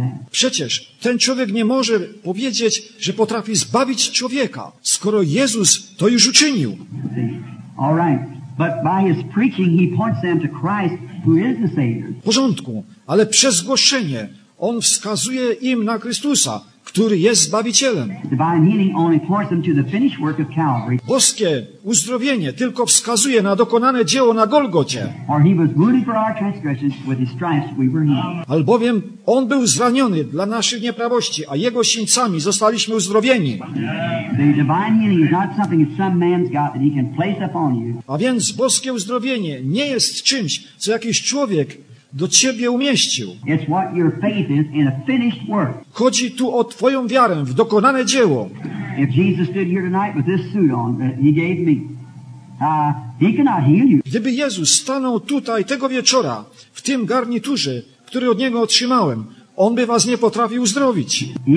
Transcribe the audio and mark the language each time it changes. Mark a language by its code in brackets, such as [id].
[pl] Przecież ten człowiek nie może powiedzieć, że potrafi zbawić człowieka, skoro Jezus to już uczynił. [en] All right. But by his preaching he points them to Christ who is the savior. [pl] W porządku, ale przez głoszenie on wskazuje im na Chrystusa, który jest zbawicielem. [en] Divine healing only points them to the finished work of Calvary. [pl] Boskie uzdrowienie tylko wskazuje na dokonane dzieło na Golgocie. [en] For he was wounded for our transgressions, with his stripes we were healed. [pl] Albowiem on był zraniony dla naszych nieprawości, a jego sińcami zostaliśmy uzdrowieni. [en] The divine healing is not something that some man's got that he can place upon you. [pl] A więc boskie uzdrowienie nie jest czymś, co jakiś człowiek do ciebie umieścił. [en] It's what your faith is in a finished work. [pl] Chodzi tu o twoją wiarę w dokonane dzieło. [en] If Jesus stood here tonight with this suit on that he gave me, he cannot heal you. [pl] Gdyby Jezus stanął tutaj tego wieczora w tym garniturze, który od niego otrzymałem, on by was nie potrafił uzdrowić.